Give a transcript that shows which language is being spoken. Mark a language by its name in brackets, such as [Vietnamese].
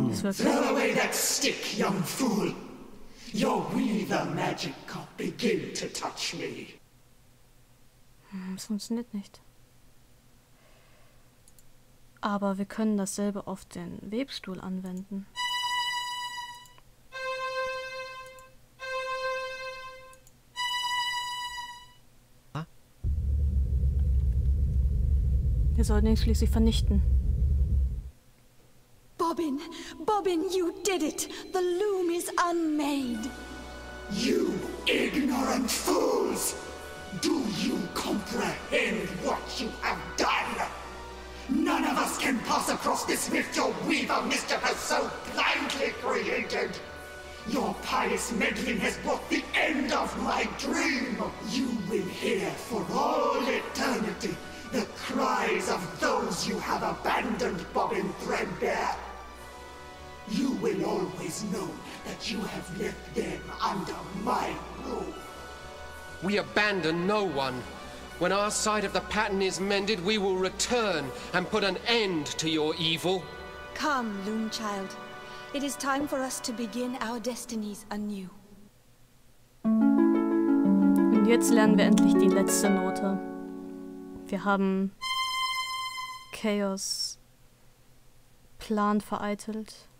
[English] Throw away that stick, young fool! Your weaver magic can't begin to touch me. [German] Es funktioniert nicht. Aber wir können dasselbe auf den Webstuhl anwenden. Wir sollten ihn schließlich vernichten. [English] Bobbin, Bobbin, you did it! The loom is unmade! You ignorant fools! Do you comprehend what you have done? None of us can pass across this rift your weaver mischief has so blindly created. Your pious meddling has brought the end of my dream. You will hear for all eternity the cries of those you have abandoned, Bobbin Threadbare. You will always know that you have left them under my rule. We abandon no one. When our side of the pattern is mended, we will return and put an end to your evil. Come, Loom Child. It is time for us to begin our destinies anew. [German] Und jetzt lernen wir endlich die letzte Note. Wir haben Chaos Plan vereitelt.